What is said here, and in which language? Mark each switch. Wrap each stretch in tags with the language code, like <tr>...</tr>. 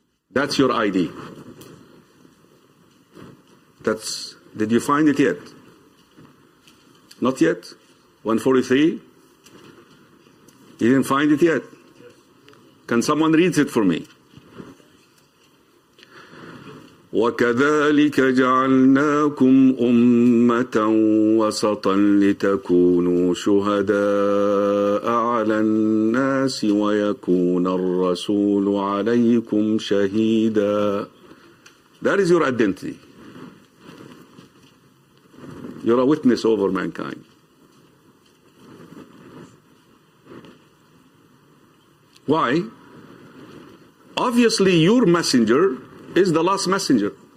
<en>That's your ID. That's, did you find it yet? Not yet? 143? You didn't find it yet? Can someone read it for me?</en> <ar>وكذلك جعلناكم أمة وسطا لتكونوا شهداء على الناس ويكون الرسول عليكم شهيدا.</ar> <en>That is your identity. You're a witness over mankind. Why? Obviously, your messenger is the last messenger.</en>